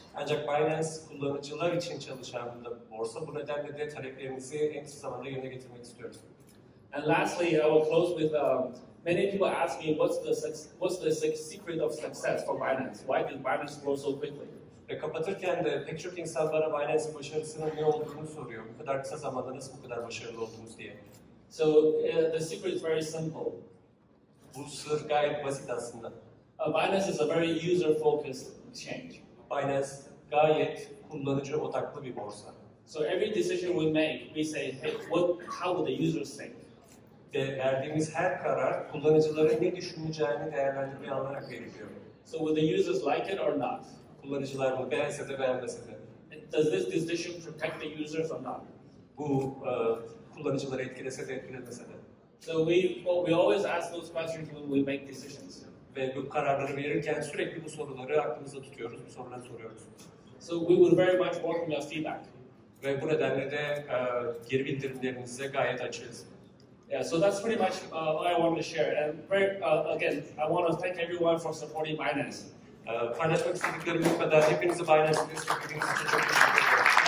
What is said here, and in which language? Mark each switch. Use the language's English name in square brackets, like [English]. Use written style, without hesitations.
[Turkish] Ancak Binance kullanıcılar için çalışan bir borsa, bu nedenle de taleplerimizi en kısa zamanda yerine getirmek istiyoruz. [English] And lastly, I will close with many people ask me what's the secret of success for Binance? Why did Binance grow so quickly? [Turkish] Ve kapatırken de pek çok insan bana Binance başarısının ne olduğunu soruyor. Bu kadar kısa zamanda nasıl bu kadar başarılı oldunuz diye. [English] So the secret is very simple. [Turkish] Bu sır gayet basit aslında. [English] Binance is a very user-focused exchange. [Turkish] Binance gayet kullanıcı odaklı bir borsa. [English] So every decision we make, we say, hey, how would the users think? [Turkish] Ve verdiğimiz her karar kullanıcıların ne düşüneceğini değerlendirmeye alarak veriliyor. [English] So would the users like it or not? [Turkish] Kullanıcılar bunu beğense de beğenmese de. [English] And does this decision protect the users or not? [Turkish] Bu kullanıcıları etkilese de etkilemese de. [English] So we always ask those questions when we make decisions. [Turkish] Ve bu kararları verirken sürekli bu soruları aklımızda tutuyoruz, bu soruları soruyoruz. [English] So we would very much welcome your feedback. [Turkish] Ve bu nedenle de geri bildirimlerinize gayet açığız. [English] Yeah, so that's pretty much what I wanted to share. And very, again, I want to thank everyone for supporting Binance. [Turkish] Paylaşmak istediklerim bu kadar. Hepinizi Binance'ın destekleriniz için çok teşekkür ederim.